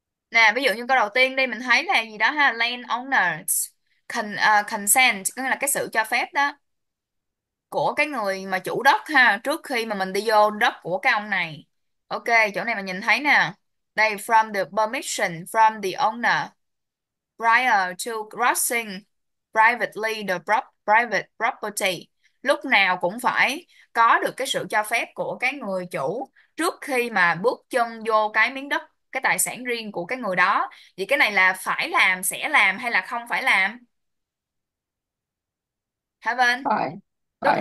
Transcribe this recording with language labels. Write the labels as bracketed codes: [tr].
[vi] Nè, ví dụ như câu đầu tiên đi, mình thấy là gì đó ha, [en] land owners consent, [vi] có nghĩa là cái sự cho phép đó của cái người mà chủ đất ha, trước khi mà mình đi vô đất của cái ông này. Ok, chỗ này mình nhìn thấy nè. [en] Đây, from the permission from the owner prior to crossing privately the private property. [vi] Lúc nào cũng phải có được cái sự cho phép của cái người chủ trước khi mà bước chân vô cái miếng đất, cái tài sản riêng của cái người đó. Vậy cái này là phải làm, sẽ làm hay là không phải làm hả Vân? Phải Đúng phải